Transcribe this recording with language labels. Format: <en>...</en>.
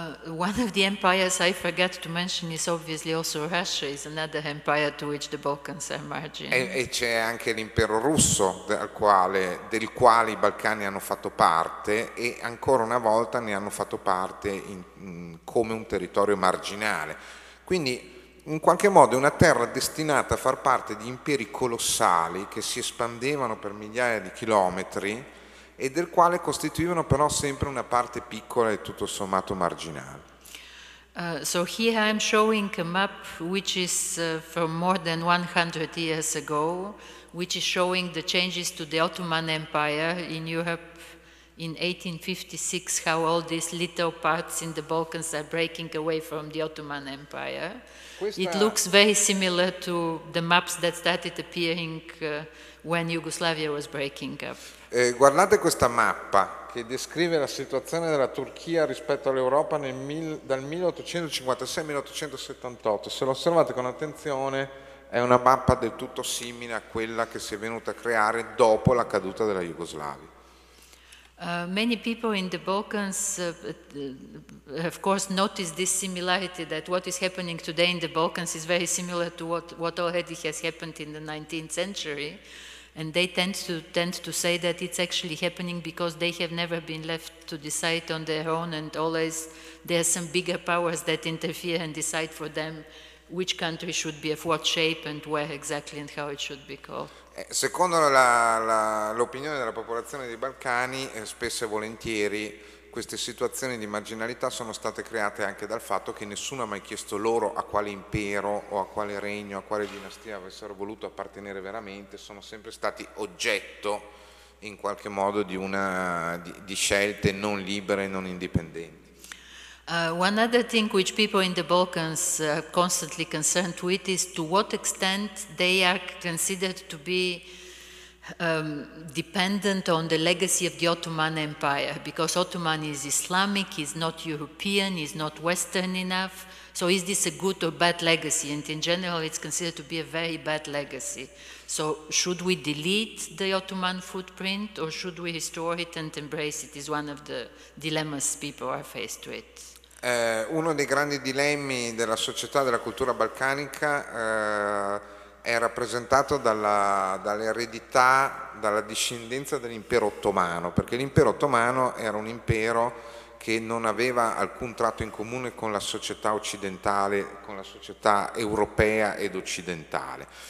<en>One of the empires I forgot to mention is obviously also Russia, is another empire to which the Balkans are margin.</en> <it>E c'è anche l'impero russo del quale i Balcani hanno fatto parte, e ancora una volta ne hanno fatto parte come un territorio marginale. Quindi in qualche modo è una terra destinata a far parte di imperi colossali che si espandevano per migliaia di chilometri, e del quale costituivano però sempre una parte piccola e tutto sommato marginale.</it> <en>So here I'm showing a map which is from more than 100 years ago, which is showing the changes to the Ottoman Empire in Europe in 1856, how all these little parts in the Balkans are breaking away from the Ottoman Empire. It looks very similar to the maps that started appearing when Yugoslavia was breaking up.</en> <it>Guardate questa mappa che descrive la situazione della Turchia rispetto all'Europa dal 1856 al 1878. Se lo osservate con attenzione, è una mappa del tutto simile a quella che si è venuta a creare dopo la caduta della Jugoslavia.</it> <en>Many people in the Balkans of course notice this similarity, that what is happening today in the Balkans is very similar to what already has happened in the 19th century. And they tend to say that it's actually happening because they have never been left to decide on their own, and always there are some bigger powers that interfere and decide for them which country should be of what shape and where exactly and how it should be called.</en> <it>Secondo l'opinione della popolazione dei Balcani, spesso e volentieri queste situazioni di marginalità sono state create anche dal fatto che nessuno ha mai chiesto loro a quale impero o a quale regno, a quale dinastia avessero voluto appartenere veramente. Sono sempre stati oggetto in qualche modo di scelte non libere e non indipendenti.</it> <en>One other thing which people in the Balkans are constantly concerned with is to what extent they are considered to be dependent on the legacy of the Ottoman Empire, because Ottoman is Islamic, is not European, is not Western enough. So is this a good or bad legacy? And in general, it's considered to be a very bad legacy. So should we delete the Ottoman footprint, or should we restore it and embrace it? Is one of the dilemmas people are faced with.</en> <it>Uno dei grandi dilemmi della società, della cultura balcanica, è rappresentato dall'eredità, dalla discendenza dell'impero ottomano, perché l'impero ottomano era un impero che non aveva alcun tratto in comune con la società occidentale, con la società europea ed occidentale.</it>